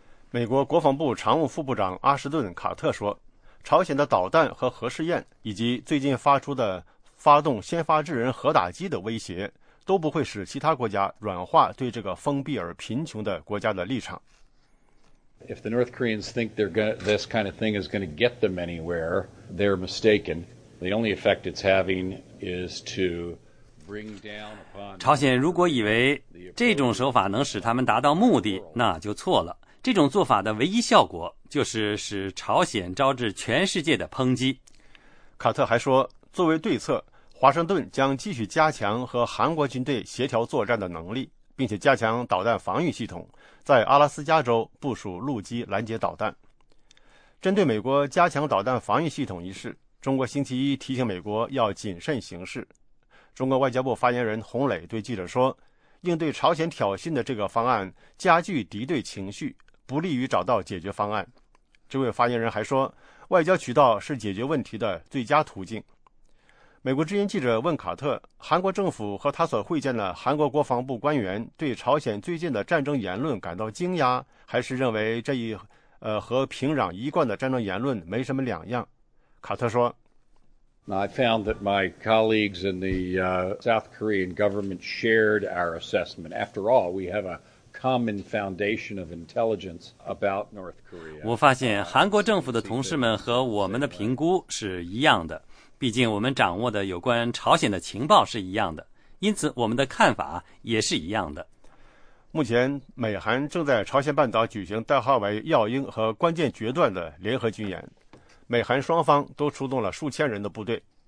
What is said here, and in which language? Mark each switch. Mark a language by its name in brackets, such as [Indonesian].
[Chinese] 美国国防部常务副部长阿什顿·卡特说，朝鲜的导弹和核试验以及最近发出的发动先发制人核打击的威胁都不会使其他国家软化对这个封闭而贫穷的国家的立场。 [English] If the North Koreans think this kind of thing is going to get them anywhere, they're mistaken. The only effect it's having is to bring down upon. [Chinese] 朝鲜如果以为这种手法能使他们达到目的，那就错了。这种做法的唯一效果就是使朝鲜招致全世界的抨击。卡特还说，作为对策，华盛顿将继续加强和韩国军队协调作战的能力，并且加强导弹防御系统，在阿拉斯加州部署陆基拦截导弹。针对美国加强导弹防御系统一事，中国星期一提醒美国要谨慎行事。中国外交部发言人洪磊对记者说，应对朝鲜挑衅的这个方案加剧敌对情绪，不利于找到解决方案。这位发言人还说，外交渠道是解决问题的最佳途径。美国之音记者问卡特，韩国政府和他所会见的韩国国防部官员对朝鲜最近的战争言论感到惊讶，还是认为这一和平壤一贯的战争言论没什么两样？卡特说， [English] I found that my colleagues in the South Korean government shared our assessment. After all, we have a common foundation of intelligence about North Korea. [Chinese] 我发现韩国政府的同事们和我们的评估是一样的。毕竟我们掌握的有关朝鲜的情报是一样的，因此我们的看法也是一样的。目前美韩正在朝鲜半岛举行代号为耀英和关键决断的联合军演，美韩双方都出动了数千人的部队。